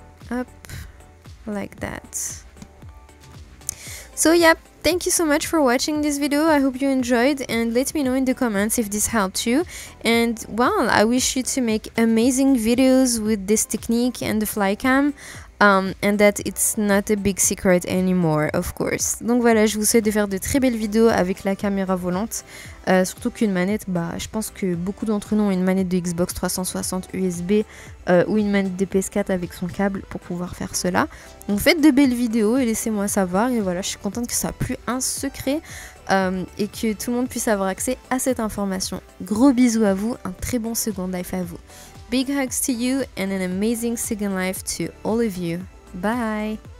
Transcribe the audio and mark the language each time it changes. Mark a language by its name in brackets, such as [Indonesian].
[English] Up like that. So yeah, thank you so much for watching this video. I hope you enjoyed, and let me know in the comments if this helped you. And well, I wish you to make amazing videos with this technique and the flycam. And that it's not a big secret anymore, of course. [French] Donc voilà, je vous souhaite de faire de très belles vidéos avec la caméra volante. Surtout qu'une manette, bah, je pense que beaucoup d'entre nous ont une manette de Xbox 360 USB ou une manette de PS4 avec son câble pour pouvoir faire cela. Donc faites de belles vidéos et laissez-moi savoir. Et voilà, je suis contente que ça n'a plus un secret et que tout le monde puisse avoir accès à cette information. Gros bisous à vous, un très bon Second Life à vous. [English] Big hugs to you and an amazing Second Life to all of you. Bye!